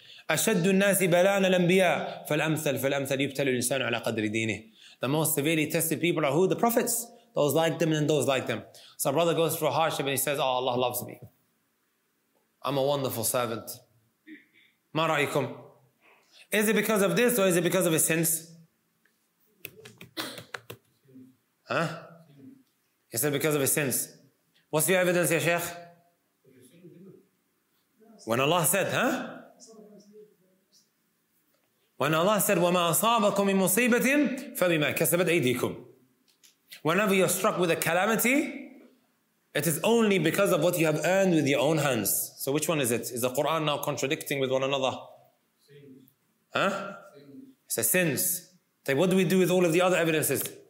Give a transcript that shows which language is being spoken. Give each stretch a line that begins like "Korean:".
Arabic: أشد الناس بلاءً الأنبياء فالأمثل يبتلى الإنسان على قدر دينه.
English: The most severely tested people are who? The prophets. Those like them and those like them. So a brother goes through a hardship and he says, oh, Allah loves me. I'm a wonderful servant.
Arabic: ما رأيكم?
English: Is it because of this or is it because of his sins? Huh? He said because of his sins. What's your evidence, ya Sheikh? When Allah said,
Arabic: وَمَا أَصَابَكُمْ مِنْ مُصِيبَةٍ فَبِمَا كَسَبَتْ أَيْدِيكُمْ.
English: Whenever you're struck with a calamity, it is only because of what you have earned with your own hands. So which one is it? Is the Quran now contradicting with one another? Sins. Huh? Sins. It's a sins. Okay, what do we do with all of the other evidences?